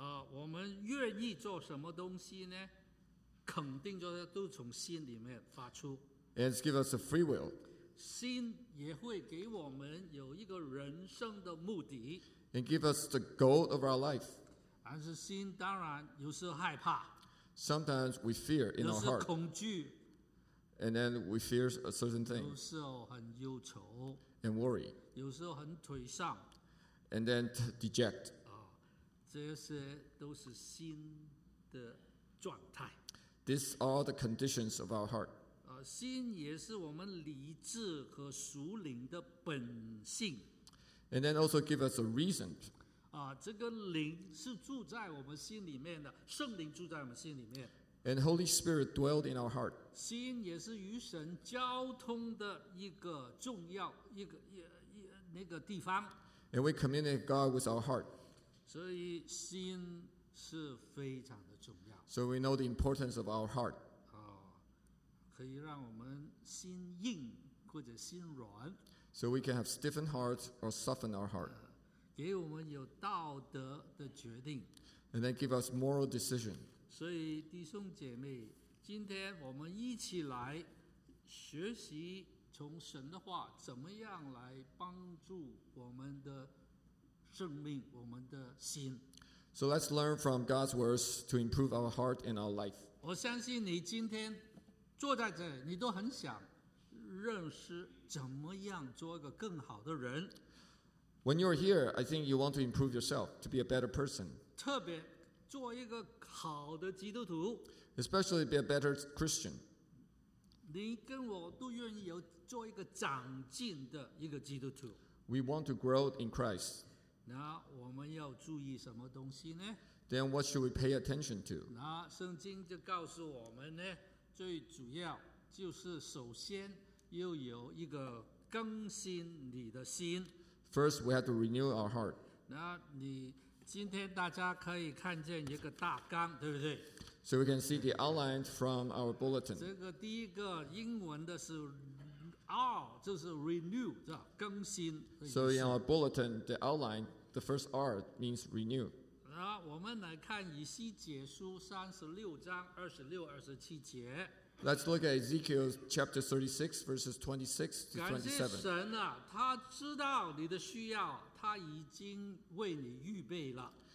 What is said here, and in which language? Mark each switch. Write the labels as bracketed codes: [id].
[zh] 我们愿意做什么东西呢？肯定就是都从心里面发出。 [en] And give us a free will. [zh] 心也会给我们有一个人生的目的。 [en] And give us the goal of our life. [zh] 但是心当然有时害怕。 [en] Sometimes we fear in our heart. [zh] 有时恐惧。 [en] And then we fear a certain thing. [zh] 有时候很忧愁。 [en] And worry. [zh] 有时候很颓丧。 [en] And then deject. [zh] 这些都是心的状态。 [en] These are the conditions of our heart. [zh] 心也是我们理智和属灵的本性。 [en] And then also give us a reason. [zh] 这个灵是住在我们心里面的，圣灵住在我们心里面。 [en] And Holy Spirit dwelled in our heart. [zh] 心也是与神交通的一个重要一个那个地方。 [en] And we communicate God with our heart. [zh] 所以心是非常的重要。 [en] So we know the importance of our heart. [zh] 可以让我们心硬或者心软。 [en] So we can have stiffened hearts or soften our heart. [zh] 给我们有道德的决定。 [en] And then give us moral decision. [zh] 所以弟兄姐妹，今天我们一起来学习从神的话怎么样来帮助我们的生命，我们的心。 [en] So let's learn from God's words to improve our heart and our life. [zh] 我相信你今天坐在这里，你都很想认识怎么样做一个更好的人。 [en] When you're here, I think you want to improve yourself to be a better person. [zh] 特别做一个好的基督徒 [en] especially be a better Christian. [zh] 你跟我都愿意有做一个长进的一个基督徒。 [en] We want to grow in Christ. [zh] 那我们要注意什么东西呢？ [en] Then what should we pay attention to? [zh] 那圣经就告诉我们呢，最主要就是首先要有一个更新你的心。 [en] First, we have to renew our heart. [zh] 那你今天大家可以看见一个大纲，对不对？ [en] So we can see the outline from our bulletin. [zh] 这个第一个英文的是 R, 就是 renew, 是吧？更新。 [en] So in our bulletin, the outline, the first R means renew. [zh] 我们来看以西结书36章26、27节。 [en] Let's look at Ezekiel chapter 36, verses 26 to 27. [zh] 感谢神啊，他知道你的需要，他已经为你预备了。